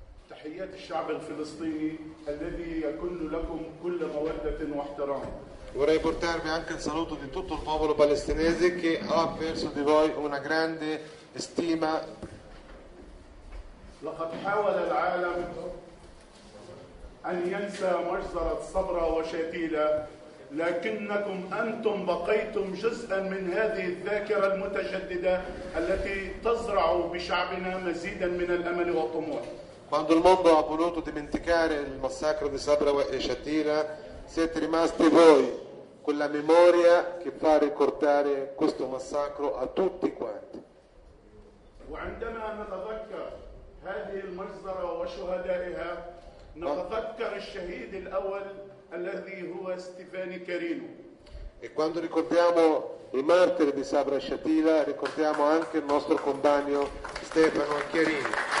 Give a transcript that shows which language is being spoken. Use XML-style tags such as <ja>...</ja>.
<ar>تحيات الشعب الفلسطيني الذي يكن لكم كل مودة واحترام.</ar> <it>Vorrei portarvi anche il saluto di tutto il popolo palestinese che ha verso di voi una grande stima.</it> <ar>لقد حاول العالم أن ينسى مجزرة صبرا وشاتيلا، لكنكم أنتم بقيتم جزءا من هذه الذاكرة المتجددة التي تزرع بشعبنا مزيدا من الأمل والطموح.</ar> <it>Quando il mondo ha voluto dimenticare il massacro di Sabra e Shatila, siete rimasti voi con la memoria che fa ricordare questo massacro a tutti quanti.</it> <ar>وعندما نتذكر هذه المجزرة وشهدائها نتذكر الشهيد الأول الذي هو ستيفاني كارينو.</ar> <it>E quando ricordiamo i martiri di Sabra e Shatila, ricordiamo anche il nostro compagno Stefano Chiarini.</it>